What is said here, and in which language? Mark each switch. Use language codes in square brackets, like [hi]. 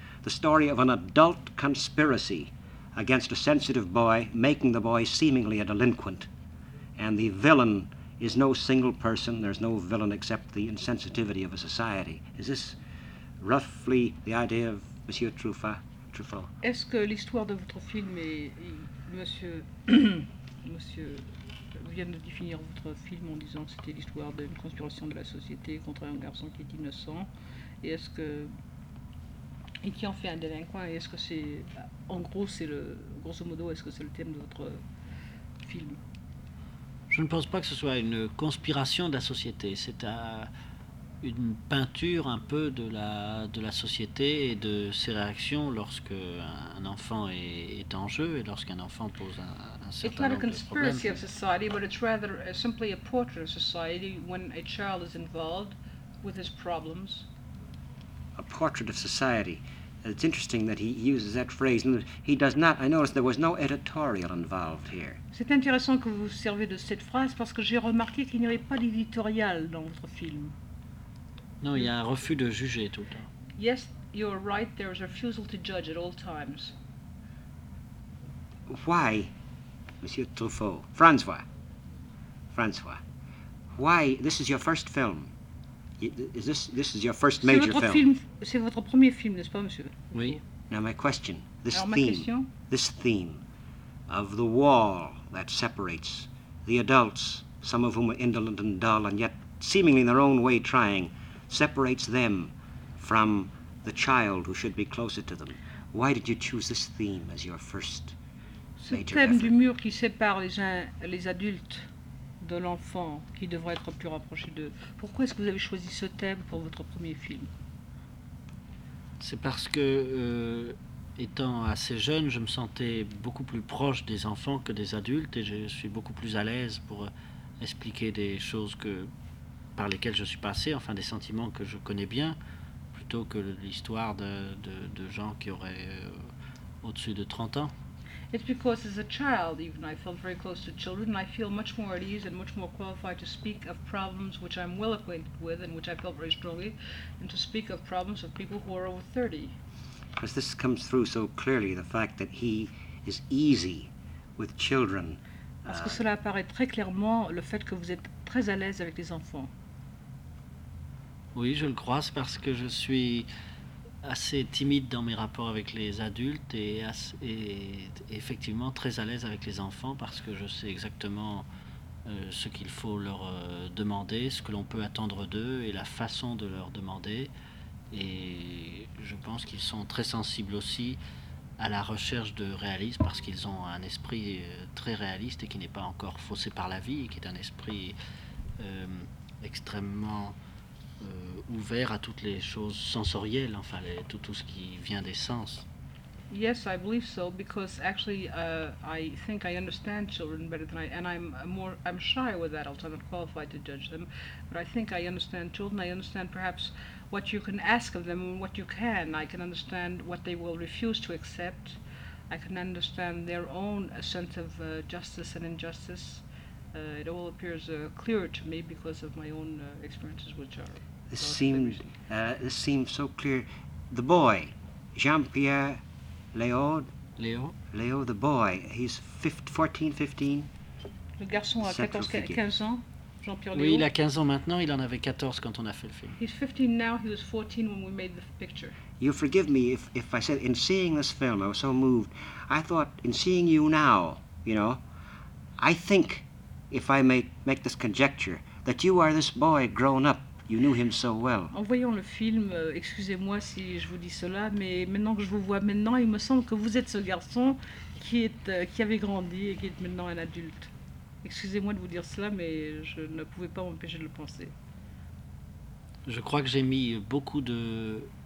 [en] The story of an adult conspiracy against a sensitive boy, making the boy seemingly a delinquent. And the villain is no single person. There's no villain except the insensitivity of a society. Is this roughly the idea of Monsieur Truffaut? [fr] Est-ce que l'histoire de votre film est, Monsieur, Monsieur, vient de définir votre film en disant que c'était l'histoire d'une conspiration de la société contre un garçon qui est innocent, et est-ce que et qui en fait un délinquant, et est-ce que c'est, en gros, c'est le grosso modo, est-ce que c'est le thème de votre film? Je ne pense pas que ce soit une conspiration de la société. C'est une peinture un peu de la société et de ses réactions lorsque un enfant est en jeu et lorsqu'un enfant pose un certain nombre de problèmes. [en] It's not a conspiracy of society, but it's rather simply a portrait of society when a child is involved with his problems. A portrait of society. It's interesting that he uses that phrase. He does not. I noticed there was no editorial involved here. [fr] C'est intéressant que vous serviez de cette phrase parce que j'ai remarqué qu'il n'y avait pas d'éditorial dans votre film. Non, il y a un refus de juger tout le temps. [en] Yes, you're right. There is a refusal to judge at all times. Why, Monsieur Truffaut, Francois, why? This is your first film. Is this your first major film? [fr] C'est votre premier film, n'est-ce pas, monsieur? Oui. [en] Now my question, this theme of the wall that separates the adults, some of whom are indolent and dull and yet seemingly in their own way trying, separates them from the child who should be closer to them. Why did you choose this theme as your first major [fr] effort? Ce thème du mur qui sépare les adultes de l'enfant qui devrait être plus rapproché d'eux. Pourquoi est-ce que vous avez choisi ce thème pour votre premier film? C'est parce que, étant assez jeune, je me sentais beaucoup plus proche des enfants que des adultes et je suis beaucoup plus à l'aise pour expliquer des choses que, par lesquelles je suis passé, enfin des sentiments que je connais bien, plutôt que l'histoire de gens qui auraient au-dessus de 30 ans. [en] It's because as a child, even, I felt very close to children, and I feel much more at ease and much more qualified to speak of problems which I'm well acquainted with and which I felt very strongly, and to speak of problems of people who are over 30. Because this comes through so clearly, the fact that he is easy with children. [fr] Parce que cela apparaît très clairement, le fait que vous êtes très à l'aise avec les enfants. Oui, je le crois, c'est parce que je suis assez timide dans mes rapports avec les adultes et effectivement très à l'aise avec les enfants parce que je sais exactement ce qu'il faut leur demander, ce que l'on peut attendre d'eux et la façon de leur demander. Et je pense qu'ils sont très sensibles aussi à la recherche de réalisme parce qu'ils ont un esprit très réaliste et qui n'est pas encore faussé par la vie et qui est un esprit extrêmement ouvert à toutes les choses sensorielles, enfin tout ce qui vient des sens. [en] Yes, I believe so, because actually I think I understand children better than I'm shy with adults, I'm not qualified to judge them, but I think I understand children, I understand perhaps what you can ask of them and what you can. I can understand what they will refuse to accept, I can understand their own sense of justice and injustice. It all appears clearer to me because of my own experiences which are... This seemed so clear. The boy, Jean-Pierre Léo, the boy, he's 14, 15? [fr] Le garçon a 15 ans, Jean-Pierre Léo. Oui, il a 15 ans maintenant, il en avait 14 quand on a fait le film. [en] He's 15 now, he was 14 when we made the picture. You forgive me if I said, in seeing this film, I was so moved. I thought, in seeing you now, you know, I think, if I may make this conjecture, that you are this boy grown up. You knew him so well. [fr] En voyant le film, excusez-moi si je vous dis cela, mais maintenant que je vous vois maintenant, il me semble que vous êtes ce garçon qui avait grandi et qui est maintenant un adulte. Excusez-moi de vous dire cela, mais je ne pouvais pas m'empêcher de le penser. Je crois que j'ai mis beaucoup de